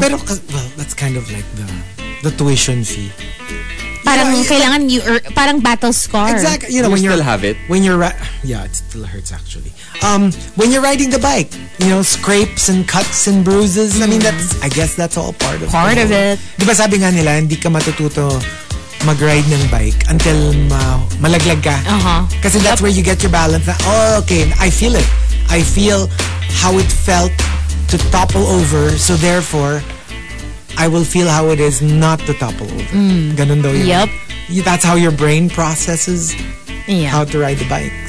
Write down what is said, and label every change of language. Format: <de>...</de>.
<tl>Pero,</tl> <en>well, that's kind of like the tuition fee.</en> <tl>Parang kailangan you parang</tl> <en>battle scar. Exactly. You know, you when still have it. When you're it still hurts actually. When you're riding the bike, you know, scrapes and cuts and bruises. Mm-hmm. I mean, that's all part of it. Part of it.</en> <tl>Diba sabi nga nila, hindi ka matututo mag-ride ng bike</tl> <en>until</en> <tl>malaglag ka. Kasi</tl> <en>that's where you get your balance. Oh, okay. I feel it. I feel how it felt to topple over. So therefore, I will feel how it is not to topple over.</en> <tl>Ganun daw yun.</tl> <en>Yep. That's how your brain processes how to ride the bike.</en>